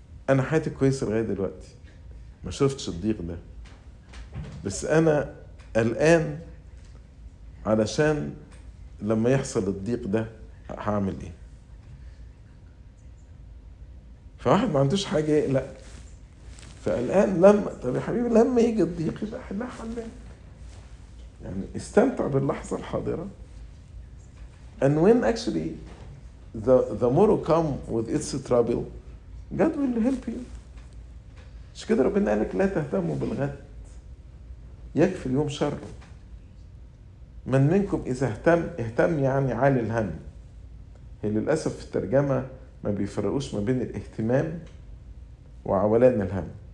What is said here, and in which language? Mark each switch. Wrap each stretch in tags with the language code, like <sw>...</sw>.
<ar>أنا حياتي كويسة لغاية دلوقتي ما شفتش الضيق ده، بس أنا الآن علشان لما يحصل الضيق ده هعمل ايه؟ فواحد ما عندوش حاجة إيه؟ لا فالآن لما طب يا حبيبي لما يجي الضيق يبقى حلها حلها، يعني استمتع باللحظة الحاضرة.</ar> <en>And when actually the more come with its trouble God will help you.</en> <ar>مش كده ربنا قالك لا تهتموا بالغد يكفي اليوم شره، من منكم إذا اهتم يعني عالي الهم. هي للأسف في الترجمة ما بيفرقوش ما بين الاهتمام وعولان الهم.</ar>